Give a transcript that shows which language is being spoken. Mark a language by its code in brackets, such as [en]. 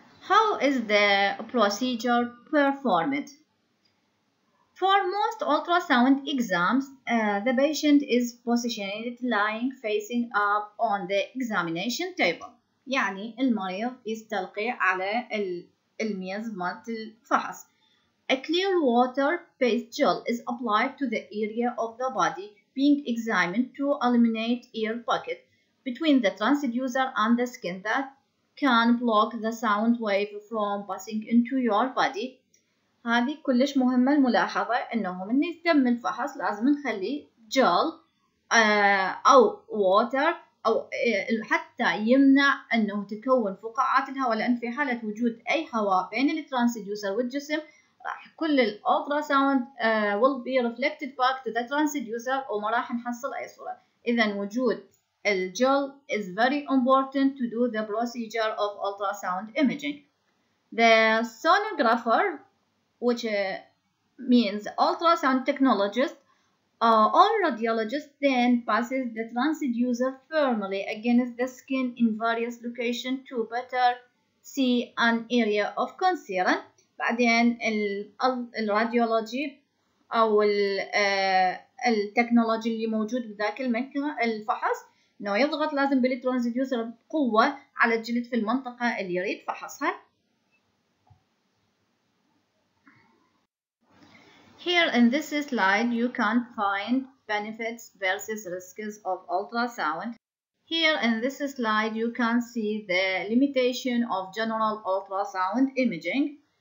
[en] How is the procedure performed? For most ultrasound exams, the patient is positioned lying facing up on the examination table. [ar] يعني المريض يستلقي على الميز مالت الفحص. [en] A clear water-based gel is applied to the area of the body being examined to eliminate air pocket between the transducer and the skin that can block the sound wave from passing into your body. [ar] هذه كلش مهمة الملاحظة انه من يتم الفحص لازم نخلي جل او ووتر او حتى يمنع انه تكون فقاعات الهواء، لان في حالة وجود اي هواء بين الترانسدوسر والجسم راح كل الالترا ساوند [en] will be reflected back to the transducer [ar] وما راح نحصل اي صورة. اذا وجود الجل [en] is very important to do the procedure of ultrasound imaging. The sonographer, which means ultrasound technologist or radiologist, then passes the transducer firmly against the skin in various locations to better see an area of concern. [ar] بعدين الراديولوجي أو التكنولوجي اللي موجود بذاك المكان الفحص إنه يضغط لازم بالترانسدوسر بقوة على الجلد في المنطقة اللي يريد فحصها. [en] Here in this slide, you can find benefits versus risks of ultrasound. Here in this slide, you can see the limitation of general ultrasound imaging.